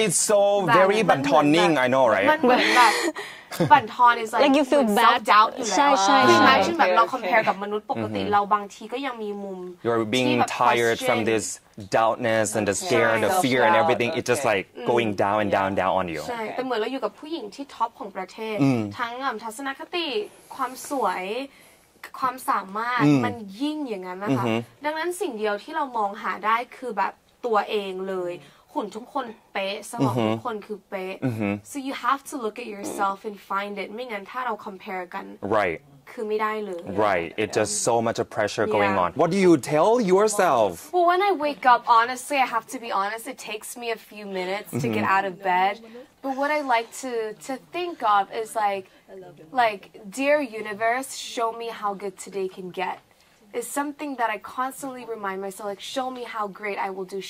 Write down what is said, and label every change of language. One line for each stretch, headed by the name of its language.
English: It's so very bantaning, I know, right? Bantan is like you feel bad. Self-doubt. Imagine we compare to human beings, we still have you're being tired from this doubtness and the scare and the fear and everything. It's just like going down and down, down on you.
Thai: ใช่แต่เหมือนเราอยู่กับผู้หญิงที่ท็อปของประเทศทั้งทัศนคติความสวยความสามารถมันยิ่งอย่างนั้นนะคะดังนั้นสิ่งเดียวที่เรามองหาได้คือแบบตัวเองเลยหุ่นทุกคนเป๊ะสมองทุกคนคือเป๊ะ
English: so you have to look at yourself and find it
Thai: ไม่งั้นถ้าเรา compare กัน
English: right
Thai: คือไม่ได้เลย
English: right it just so much of pressure going on what do you tell yourself well when I wake up honestly I have to be honest it takes me a few minutes to get out of bed but what I like to think of is like dear universe show me how good today can getIs something that I constantly remind myself, like, show me how great I will do.